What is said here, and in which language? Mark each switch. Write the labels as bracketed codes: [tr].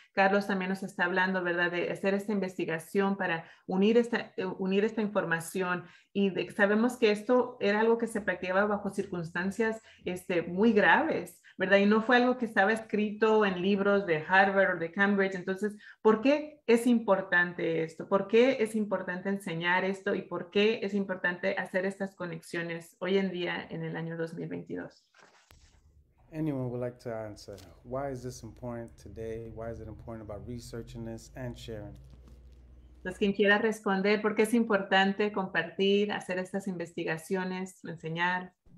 [es] Carlos también nos está hablando, ¿verdad?, de hacer esta investigación para unir esta información y de, sabemos que esto era algo que se practicaba bajo circunstancias muy graves, ¿verdad? Y no fue algo que estaba escrito en libros de Harvard o de Cambridge. Entonces, ¿por qué es importante esto? ¿Por qué es importante enseñar esto? ¿Y por qué es importante hacer estas conexiones hoy en día en el año 2022? [en] Anyone would like to answer, why is this important today? Why is it important about researching this and sharing? [es] Entonces, quien quiera responder, ¿por qué es importante compartir, hacer estas investigaciones, enseñar?